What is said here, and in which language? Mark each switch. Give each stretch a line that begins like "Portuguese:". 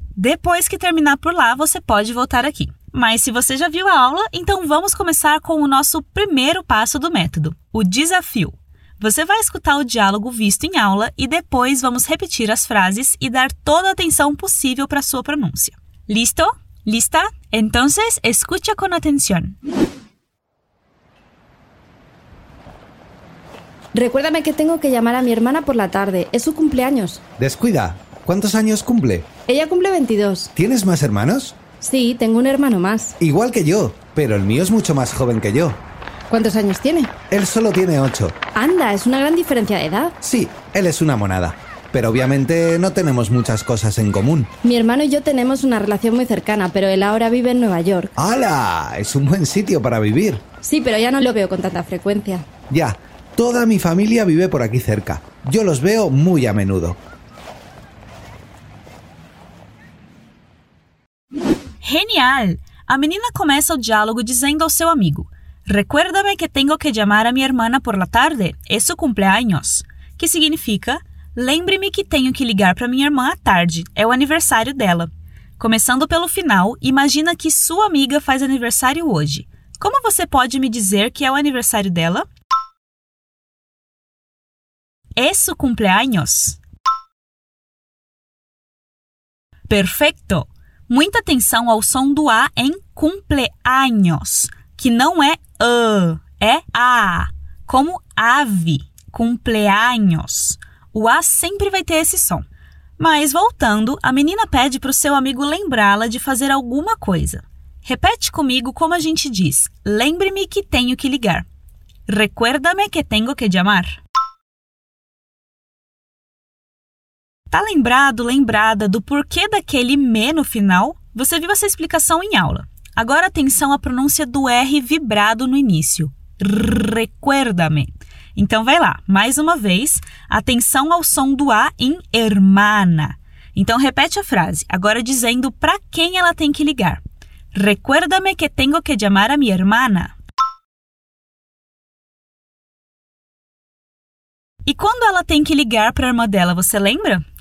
Portuguese: Depois que terminar por lá, você pode voltar aqui. Mas se você já viu a aula, então vamos começar com o nosso primeiro passo do método, o desafio. Você vai escutar o diálogo visto em aula e depois vamos repetir as frases e dar toda a atenção possível para a sua pronúncia.
Spanish: Listo? Lista? Entonces, escucha con atención. Recuérdame que tengo que llamar a mi hermana por la tarde. Es su cumpleaños. Descuida. ¿Cuántos años cumple? Ella cumple 22. ¿Tienes más hermanos? Sí, tengo un hermano más. Igual que yo, pero el mío es mucho más joven que yo. ¿Cuántos años tiene? Él solo tiene 8. Anda, es una gran diferencia de edad. Sí, él es una monada. Pero obviamente no tenemos muchas cosas en común. Mi hermano y yo tenemos una relación muy cercana, pero él ahora vive en Nueva York. ¡Hala! Es un buen sitio para vivir. Sí, pero ya no lo veo con tanta frecuencia. Ya, toda mi familia vive por aquí cerca. Yo los veo muy a menudo. ¡Genial!
Portuguese: A menina
Spanish: comienza el diálogo diciendo a su amigo: Recuérdame que tengo que llamar a mi hermana por la tarde. Es su cumpleaños.
Portuguese: Que significa: Lembre-me que tenho que ligar para minha irmã à tarde. É o aniversário dela. Começando pelo final, imagina que sua amiga faz aniversário hoje. Como você pode me dizer que é o aniversário dela?
Spanish: Es su cumpleaños. Perfecto!
Portuguese: Muita atenção ao som do A em cumpleaños, que não é A, é A, como ave, cumpleaños. O A sempre vai ter esse som. Mas, voltando, a menina pede para o seu amigo lembrá-la de fazer alguma coisa. Repete comigo como a gente diz. Lembre-me que tenho que ligar.
Spanish: Recuérdame que tengo que llamar.
Portuguese: Tá lembrado, lembrada, do porquê daquele me no final? Você viu essa explicação em aula. Agora, atenção à pronúncia do R vibrado no início. Recuérdame. Então, vai lá. Mais uma vez, atenção ao som do A em hermana. Então, repete a frase, agora dizendo para quem ela tem que ligar.
Spanish: Recuérdame que tengo que llamar a mi hermana.
Portuguese: E quando ela tem que ligar para a irmã dela, você lembra?